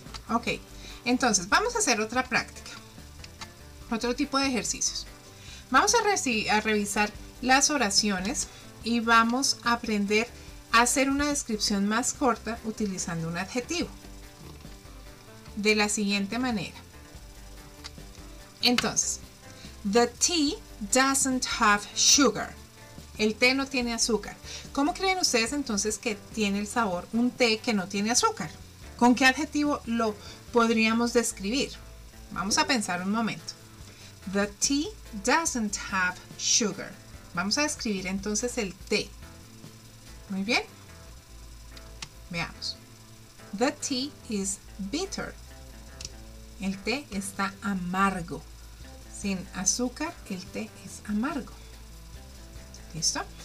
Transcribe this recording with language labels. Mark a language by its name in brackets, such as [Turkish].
[Spanish] Ok, entonces vamos a hacer otra práctica, otro tipo de ejercicios. Vamos a revisar las oraciones y vamos a aprender a hacer una descripción más corta utilizando un adjetivo. De la siguiente manera. Entonces, [English] the tea doesn't have sugar. [Spanish] El té no tiene azúcar. ¿Cómo creen ustedes entonces que tiene el sabor un té que no tiene azúcar? ¿Con qué adjetivo lo podríamos describir? Vamos a pensar un momento. [English] The tea doesn't have sugar. [Spanish] Vamos a describir entonces el té. Muy bien. Veamos. [English] The tea is bitter. [Spanish] El té está amargo. Sin azúcar, el té es amargo. ¿Listo?